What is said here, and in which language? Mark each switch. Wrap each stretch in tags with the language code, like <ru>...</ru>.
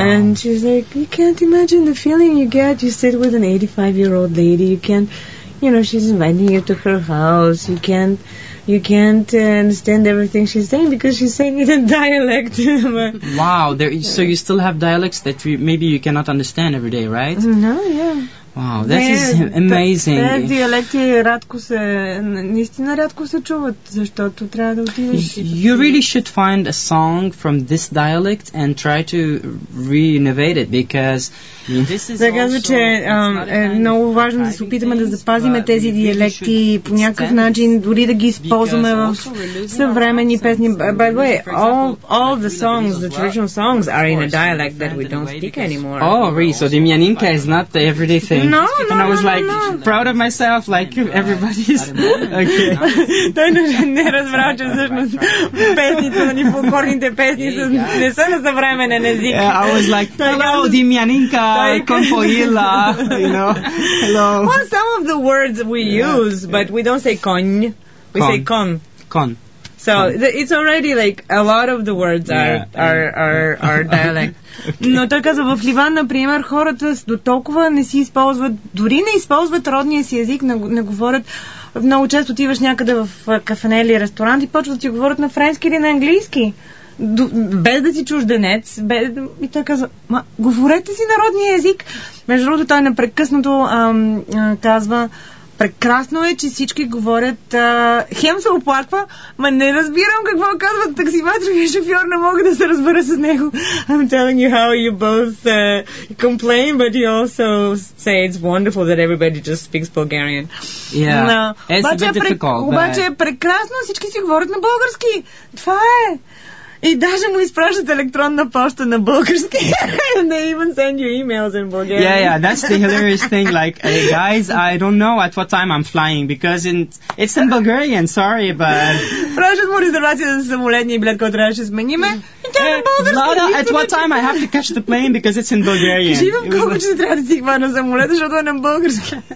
<en>And she was like, you can't imagine the feeling you get. You sit with an 85-year-old lady. You can't, you know, she's inviting you to her house. You can't understand everything she's saying because she's saying it in dialect. Wow. So you still have dialects that maybe you cannot understand every day, right? No, yeah. Wow, that is amazing.</en> <bg>Не, диалекти рядко се, наистина рядко се чуват, защото трябва да отидеш.</bg> <en>You really should find a song from this dialect and try to re-innovate it, because this is also...</en> <bg>Да, че е много важно да се опитаме да запазиме тези диалекти по някакъв начин, дори да ги използваме в съвременни песни.</bg> <en>By the way, all the songs, the traditional songs are in a dialect that we don't speak anymore. Oh, really? So Demianinka is not the everyday thing. No, I was like proud of myself, like everybody's okay.</en> <bg>Той не разбрал, че всъщност песните на непокорните песни не са на съвременен език.</bg> <en>I was like, hello, Demianinka, Konpoila, you know, hello. Well, some of the words we use, but we don't say kon, we say kon. Kon. So it's already like a lot of the words are dialect.</en> <bg>Но той каза, в Ливан, например, хората до толкова не си използват, дори не използват родния си език, не говорят. Много често отиваш някъде в кафене или ресторант и почват да ти говорят на френски или на английски. Без да си чужденец. И той каза, говорете си народния език. Между другото, той непрекъснато казва, прекрасно е, че всички говорят. Хем се оплаква, ма не разбирам какво казват таксиметровия шофьор, не мога да се разбера с него.</bg> <en>I'm telling you how you both complain, but you also say it's wonderful that everybody just speaks Bulgarian.</en> <bg>Обаче е прекрасно, всички си говорят на български. Това е. И даже му изпращат електронна поща на български.</bg> <en>They even send you emails in Bulgarian. Yeah, yeah, that's the hilarious thing. Like, hey, guys, I don't know at what time I'm flying because it's in Bulgarian, sorry, but...</en> <bg>Пращат му резервация за самолетния билет, който трябва да смениме.</bg> <en>Влада, at what time I have to catch the plane because it's in Bulgarian.</en> <bg>Кажи вам колко че трябва да си хвана самолет, защото е на български.</bg>